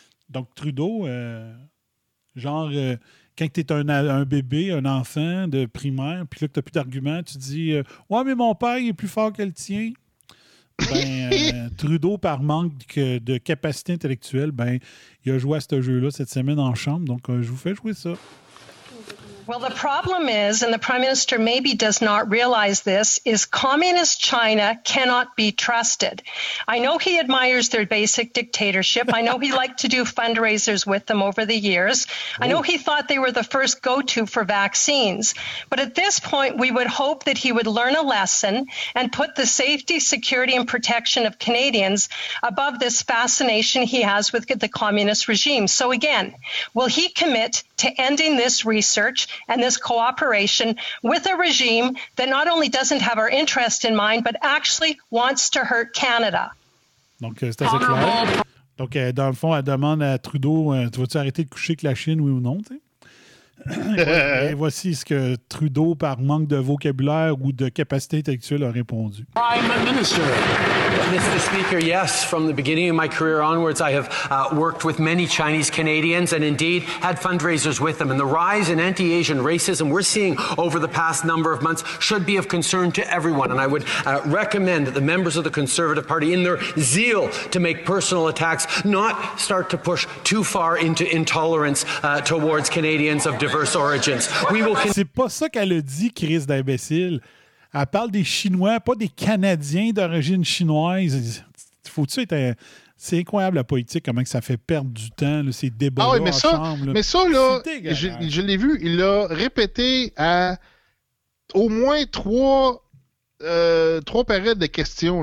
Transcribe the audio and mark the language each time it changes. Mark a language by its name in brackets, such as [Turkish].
[French] Donc, Trudeau, quand tu es un bébé, un enfant de primaire, puis là, que tu n'as plus d'argument, tu dis « Ouais, mais mon père, il est plus fort que le tien. » Ben, Trudeau, par manque de capacité intellectuelle, ben, il a joué à ce jeu-là cette semaine en chambre. Donc, je vous fais jouer ça. [English] Well, the problem is, and the Prime Minister maybe does not realize this, is communist China cannot be trusted. I know he admires their basic dictatorship. I know he liked to do fundraisers with them over the years. I know he thought they were the first go-to for vaccines. But at this point, we would hope that he would learn a lesson and put the safety, security, and protection of Canadians above this fascination he has with the communist regime. So again, will he commit to ending this research and this cooperation with a regime that not only doesn't have our interest in mind, but actually wants to hurt Canada. [French] Donc, c'est assez clair. Donc, dans le fond, elle demande à Trudeau, tu vas-tu arrêter de coucher avec la Chine, oui ou non, tu sais? Et voici ce que Trudeau, par manque de vocabulaire ou de capacité intellectuelle, a répondu. [English] Prime Minister. Mr. Speaker, yes, from the beginning of my career onwards, I have worked with many Chinese Canadians and indeed had fundraisers with them. And the rise in anti-Asian racism we're seeing over the past number of months should be of concern to everyone. And I would recommend that the members of the Conservative Party, in their zeal to make personal attacks, not start to push too far into intolerance towards Canadians of diverse origins. [French] C'est pas ça qu'elle a dit, Chris d'imbécile. Elle parle des Chinois, pas des Canadiens d'origine chinoise. Faut-tu être un... C'est incroyable la politique, comment que ça fait perdre du temps, là, ces débats-là ensemble. Mais ça, là, je l'ai vu, il l'a répété à au moins trois périodes de questions.